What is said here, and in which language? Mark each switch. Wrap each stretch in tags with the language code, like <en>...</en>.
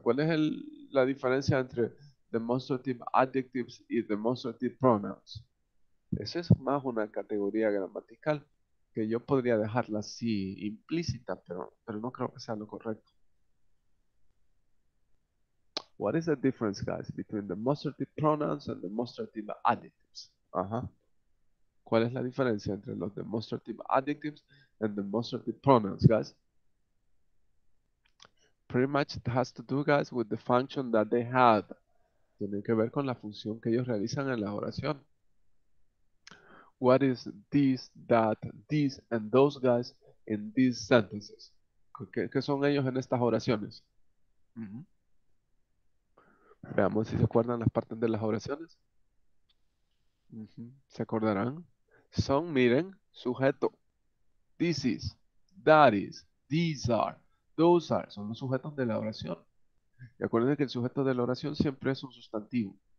<es>¿Cuál es la diferencia entre</es> <en>demonstrative adjectives</en> <es>y</es> <en>demonstrative pronouns?</en> <es>Esa es más una categoría gramatical. que yo podría dejarla así implícita, pero no creo que sea lo correcto.</es> <en>What is the difference, guys, between the demonstrative pronouns and the demonstrative adjectives?</en> <es>¿Cuál es la diferencia entre los</es> <en>demonstrative adjectives and the demonstrative pronouns, guys? Pretty much it has to do, guys, with the function that they have.</en> <es>Tiene que ver con la función que ellos realizan en la oración.</es> <en>What is this, that, this, and those guys in these sentences?</en> <es>¿Qué son ellos en estas oraciones? Veamos si se acuerdan las partes de las oraciones. ¿Se acordarán? Son, miren, sujeto.</es> <en>This is, that is, these are, those are.</en> <es>Son los sujetos de la oración. Y acuérdense que el sujeto de la oración siempre es un sustantivo.</es>